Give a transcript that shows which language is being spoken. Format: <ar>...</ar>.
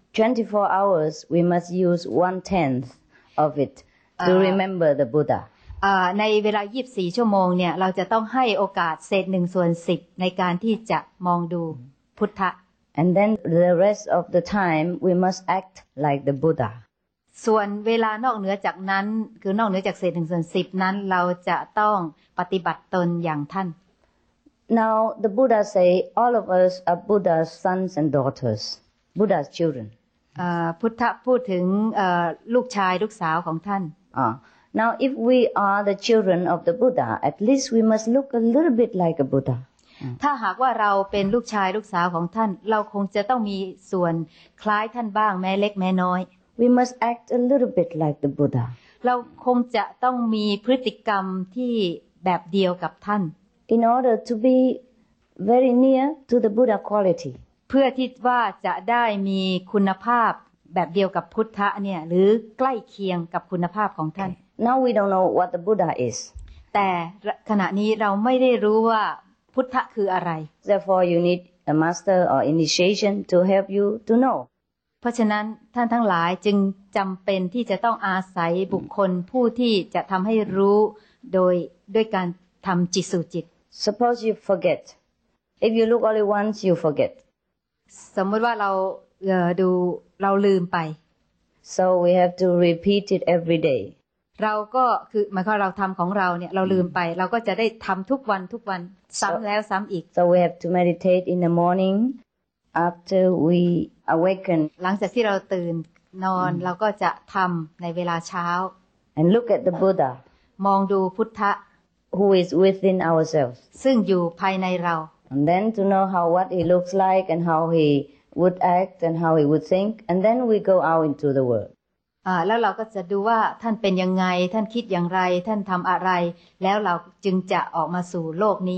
<en>24 hours we must use 1/10 of it to remember the Buddha.</en> <th>ในเวลา24ชั่วโมงเนี่ยเราจะต้องให้โอกาสเศษ1ส่วน10ในการที่จะมองดูพุทธะ</th> <en>And then the rest of the time we must act like the Buddha.</en> <th>ส่วนเวลานอกเหนือจากนั้นคือนอกเหนือจากเศษหนึ่งส่วนสิบนั้นเราจะต้องปฏิบัติตนอย่างท่าน</th> <en>Now the Buddha say all of us are Buddha's sons and daughters, Buddha's children.</en> <th>พุทธะพูดถึงลูกชายลูกสาวของท่าน</th> <en>Now if we are the children of the Buddha, at least we must look a little bit like a Buddha.</en> <th>ถ้าหากว่าเราเป็นลูกชายลูกสาวของท่านเราคงจะต้องมีส่วนคล้ายท่านบ้างแม้เล็กแม้น้อย</th> <en>We must act a little bit like the Buddha.</en> <th>เราคงจะต้องมีพฤติกรรมที่แบบเดียวกับท่าน</th> <en>In order to be very near to the Buddha quality.</en> <th>เพื่อที่ว่าจะได้มีคุณภาพแบบเดียวกับพุทธะเนี่ยหรือใกล้เคียงกับคุณภาพของท่าน</th> <en>Now we don't know what the Buddha is.</en> <th>แต่ขณะนี้เราไม่ได้รู้ว่าพุทธะคืออะไร</th> <en>Therefore you need a master or initiation to help you to know.</en> <th>เพราะฉะนั้นท่านทั้งหลายจึงจำเป็นที่จะต้องอาศัยบุคคลผู้ที่จะทำให้รู้โดยการทำจิตสู่จิต</th> <en>Suppose you forget. If you look only once, you forget.</en> <th>สมมติว่าเราดูเราลืมไป</th> <en>So we have to repeat it every day.</en> <th>เราก็คือหมายความเราทำของเราเนี่ยเราลืมไปเราก็จะได้ทำทุกวันทุกวันซ้ำแล้วซ้ำอีก</th> <en>So we have to meditate in the morning. After we awaken,</en> <th>หลังจากที่เราตื่นนอนเราก็จะทำในเวลาเช้า</th> <en>and look at the Buddha,</en> <th>มองดูพุทธะ</th> <en>who is within ourselves,</en> <th>ซึ่งอยู่ภายในเรา</th> <en>and then to know how what he looks like and how he would act and how he would think and then we go out into the world.</en> <th>แล้วเราก็จะดูว่าท่านเป็นยังไงท่านคิดอย่างไรท่านทำอะไรแล้วเราจึงจะออกมาสู่โลกนี</th>